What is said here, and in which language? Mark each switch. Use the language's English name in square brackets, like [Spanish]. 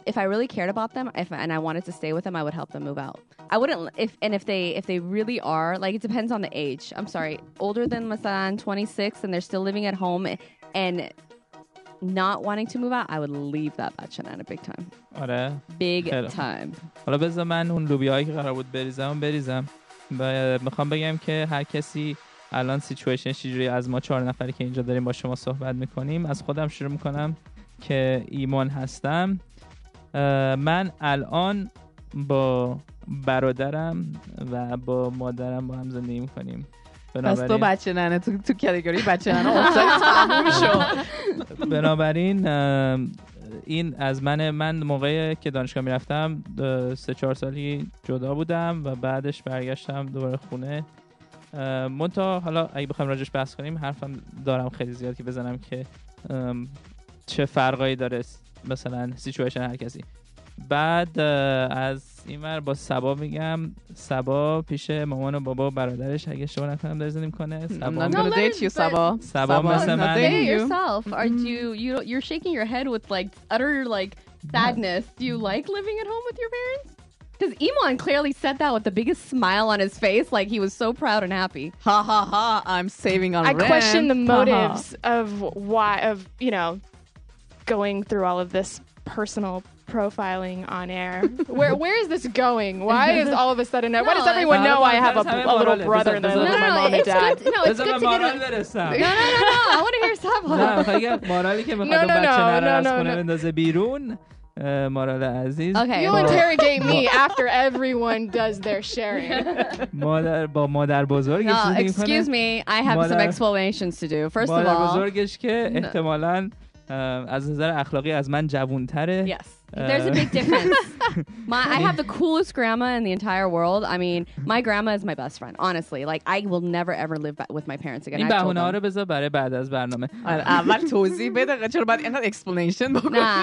[English] If I really cared about them, and I wanted to stay with them, I would help them move out. I wouldn't, if they really are, like, it depends on the age. I'm sorry. Older than Masan, 26, and they're still living at home and not wanting to move out, I would leave that bachanana big time. [Persian] آره. [English] Big time. [Persian] حالا بذار من اون لوبیایی که قرار بود بریزم. میخوام بگم که هر کسی الان سیچویشن چجوری، از ما چهار نفری که اینجا داریم با شما صحبت میکنیم، از خودم شروع میکنم که ایمان هستم. من الان با برادرم و با مادرم با هم زندگی میکنیم. پس تو بچه ننه، تو کاتگوری بچه ننه. بنابراین این از منه. من موقعی که دانشگاه میرفتم 3-4 سالی جدا بودم و بعدش برگشتم دوباره خونه. منتها حالا اگه بخوایم راجعش بحث کنیم، حرفم دارم خیلی زیاد که بزنم که چه فرقایی داره مثلا سیچویشن هر کسی. بعد از این ور با سبا میگم. سبا پیش مامان و بابا و برادرش، اگه شما نکنم داری زنیم کنه. [English] I'm not gonna date you, Sabo. [Persian] Sabo, مثل من. [English] Date yourself. You're shaking your head with like utter like sadness. Do you like living at home with your parents? Because Iman clearly said that with the biggest smile on his face, like he was so proud and happy. Ha ha ha, I'm saving on rent. I question the motives of why, of, you know, going through all of this personal profiling on air. Where is this going? Why is all of a sudden, no, why does everyone know I have a little brother and a little mom and dad? No, it's good to get it. No, I want to hear Sabo. No, no, no. [Persian] مراله عزیز. [English] Okay. You interrogate me after everyone does their sharing. [Persian] مادر با مادر بزرگ چیزی میکنه. [English] Excuse me, I have some explanations to do. First of all, [Persian] مادر بزرگش که احتمالاً از نظر اخلاقی از من جوان‌تره. [English] Yes. There's a big difference. I have the coolest grandma in the entire world. I mean, my grandma is my best friend. Honestly, like I will never ever live with my parents again. [Persian] این بهونه رو بذار برای بعد از برنامه. اول توضیح بده چرا بعد اینقدر explanation بکنی.